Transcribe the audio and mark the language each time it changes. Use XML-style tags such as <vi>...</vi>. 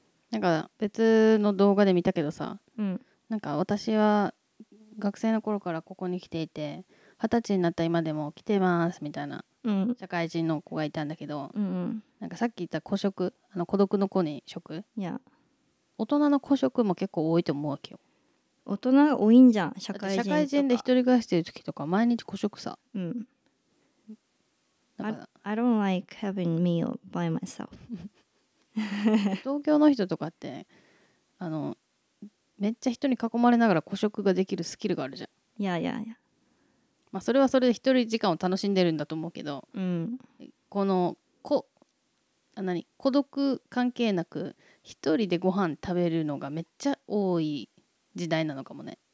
<ja>なんか別の動画で見たけどさ、なんか私は学生の頃からここに来ていて、二十歳になった今でも来てますみたいな、社会人の子がいたんだけど、なんかさっき言った孤食、あの孤独の子に食、大人の孤食も結構多いと思うわけよ。大人が多いんじゃん、社会人とか。社会人で一人暮らしてる時とか毎日孤食さ。</ja> <en>だから I don't like having meal by myself</en> <ja>東京の人とかってあのめっちゃ人に囲まれながら孤食ができるスキルがあるじゃん。いやいやいや、まあそれはそれで一人時間を楽しんでるんだと思うけど、この孤独関係なく一人でご飯食べるのがめっちゃ多い時代なのかもね。</ja>